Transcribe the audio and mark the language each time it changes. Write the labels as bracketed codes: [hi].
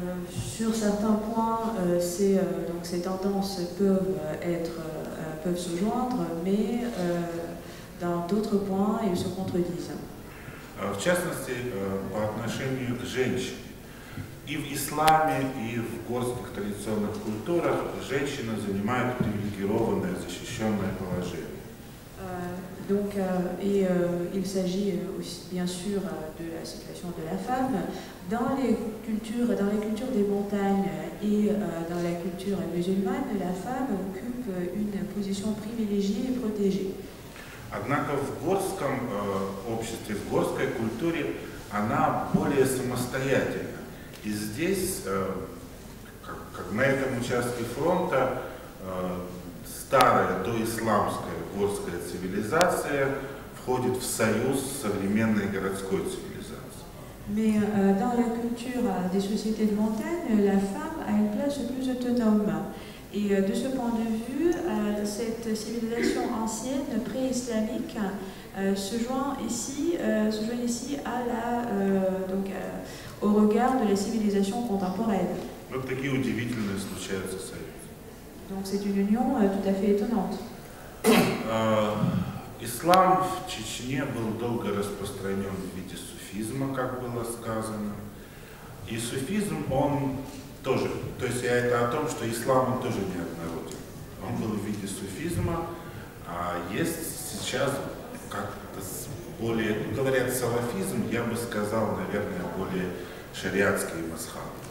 [fr] Sur certains points, ces tendances peuvent être peuvent se joindre, mais dans d'autres points, ils se contredisent. [ru] В частности, по отношению к женщине. И в исламе, и в горских традиционных культурах женщина занимает привилегированное, защищенное положение. [fr] Donc, et il s'agit aussi, bien sûr, de la situation de la femme. Dans les cultures des montagnes et dans la culture musulmane, la femme occupe une position privilégiée et protégée. [ru] Однако в горском обществе, в горской культуре, она более самостоятельна. И здесь, как на этом участке фронта, старая доисламская горская цивилизация входит в союз с современной городской цивилизацией. [fr] Mais dans la culture des sociétés de montagne, la femme a une place plus autonome. Et de ce point de vue, cette civilisation ancienne pré-islamique se joint ici à la au regard de la civilisation contemporaine. [ru] Вот такие удивительные случаются союзы. [fr] Donc c'est une union tout à fait étonnante. [ru] Ислам в Чечне был долго распространен в виде суфизма, как было сказано. И суфизм, он тоже. То есть я это о том, что ислам он тоже не однороден. Он был в виде суфизма, а есть сейчас как-то более, ну говорят, салафизм, я бы сказал, наверное, более шариатский мазхаб.